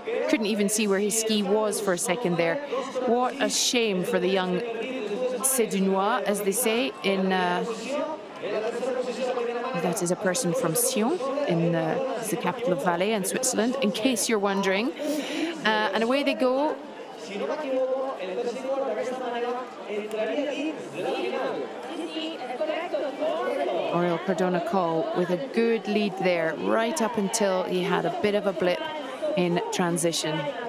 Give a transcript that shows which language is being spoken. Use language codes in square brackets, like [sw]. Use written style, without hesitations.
[en] Couldn't even see where his ski was for a second there. What a shame for the young Sédunois, as they say, in that is a person from Sion, in the capital of Valais in Switzerland, in case you're wondering. And away they go. [es] si no me equivoco, el tercer gol de esta manera entraría aquí la final. [en] Oriol Cardona Coll with a good lead there, right up until he had a bit of a blip in transition.